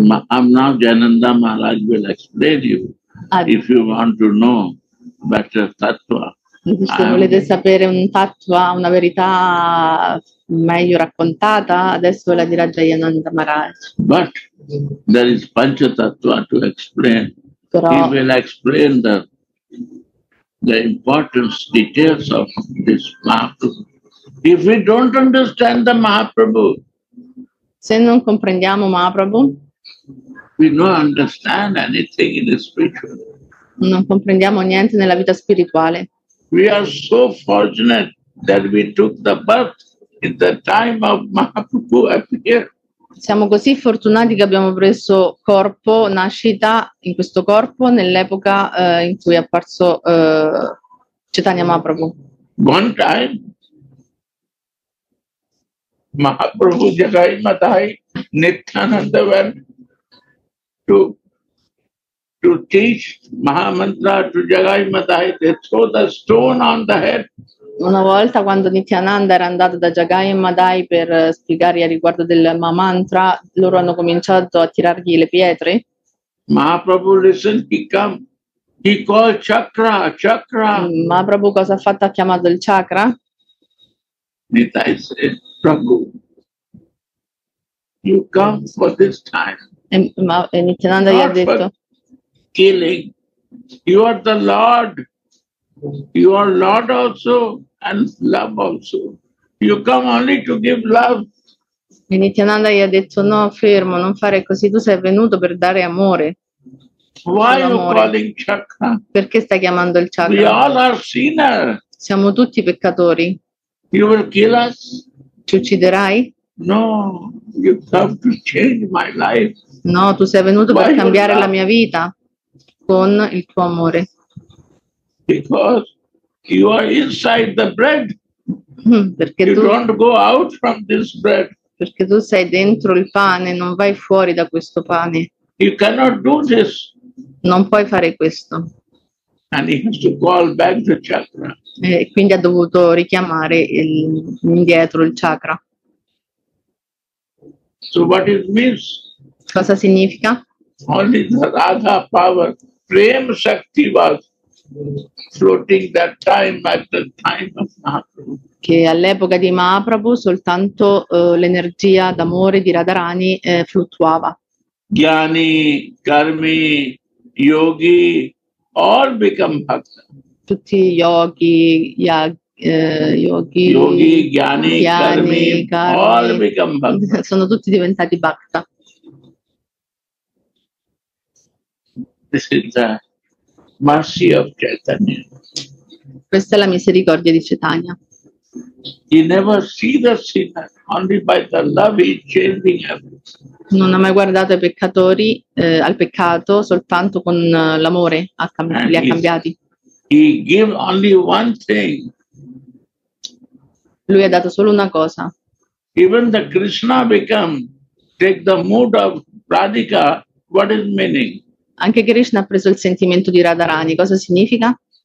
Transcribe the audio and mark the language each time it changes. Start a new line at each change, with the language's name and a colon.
English: I'm now Jainanda Maharaj will explain you if you want to know better tattva.
Italian: Se volete sapere un tattva, una verità meglio raccontata, adesso ve la dirà Jayananda Maharaj.
English: But there is Pancha Tattva to explain.
Italian: Però,
English: he will explain the importance, details of this Mahaprabhu. If we don't understand the Mahaprabhu,
Italian: se non comprendiamo Mahaprabhu,
English: we don't understand anything in the spiritual.
Italian: Non comprendiamo niente nella vita spirituale.
English: We are so fortunate that we took the birth in the time of Mahaprabhu appear.
Italian: Siamo così fortunati che abbiamo preso corpo, nascita in questo corpo nell'epoca in cui è apparso Chaitanya Mahaprabhu.
English: One time Mahaprabhu Jagai Madhai Nityananda went to teach Mahamantra to Jagai Madhai, they throw the stone on the head.
Italian: Una volta quando Nityananda era andato da Jagai Madhai per spiegargli riguardo del Mahamantra, loro hanno cominciato a tirargli le pietre.
English: Mahaprabhu listen, he come, he called Chakra, Chakra.
Italian: Mahaprabhu cosa ha fatto? Ha chiamato il Chakra?
English: Nityananda said, Prabhu, you come for this time.
Italian: E Nityananda gli ha detto,
English: killing, you are the Lord. You are Lord also and love also. You come only to give love.
Italian: E Nityananda gli ha detto, no, fermo, non fare così, tu sei venuto per dare amore.
English: Why you calling Chakra?
Italian: Perché stai chiamando il Chakra?
English: We all are sinners.
Italian: Siamo tutti peccatori.
English: You will kill us?
Italian: Ci ucciderai?
English: No, you come to change my life.
Italian: No, tu sei venuto per cambiare la mia vita con il tuo amore.
English: Because you are inside the bread.
Italian: Perché
English: you
Italian: tu,
English: don't go out from this bread.
Italian: Perché tu sei dentro il pane, non vai fuori da questo pane.
English: You cannot do this.
Italian: Non puoi fare questo.
English: and he has to call back the chakra.
Italian: E quindi ha dovuto richiamare indietro il chakra.
English: So what it means?
Italian: Cosa significa?
English: Only the Radha power, Prem Shakti was floating that time at the time of Mahaprabhu.
Italian: Che all'epoca di Mahaprabhu soltanto l'energia d'amore di Radharani fluttuava.
English: Gyani, Karmi, Yogi, all become Bhakta.
Italian: Tutti yogi, yogi,
English: yogi, gyani, gyani, karmi, all become Bhakta.
Italian: Sono tutti diventati Bhakta.
English: This is the mercy of Chaitanya.
Italian: Questa è la misericordia di Chaitanya.
English: He never see the sinner, only by the love he changing everything.
Italian: Non ha mai guardato ai peccatori, al peccato, soltanto con l'amore li ha cambiati.
English: He give only one thing.
Italian: Lui ha dato solo una cosa.
English: Even the Krishna become, take the mood of Radhika, what is meaning?
Italian: Anche Krishna ha preso il sentimento di Radharani, cosa significa?